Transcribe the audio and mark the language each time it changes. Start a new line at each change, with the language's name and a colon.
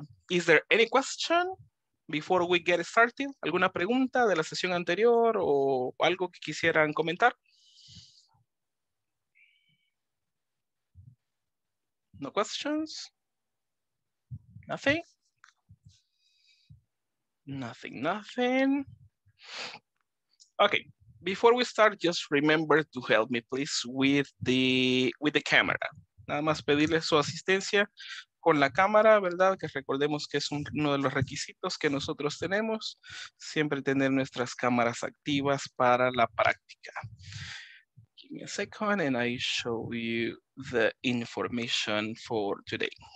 English: Is there any question before we get started?
Spanish: ¿Alguna pregunta de la sesión anterior o algo que quisieran comentar?
English: No questions? Nothing? Nothing, nothing. Okay, before we start, just remember to help me please with the camera.
Spanish: Nada más pedirles su asistencia con la cámara, ¿verdad? Que recordemos que es uno de los requisitos que nosotros tenemos. Siempre tener nuestras cámaras activas para la práctica.
English: Give me a second and I show you the information for today.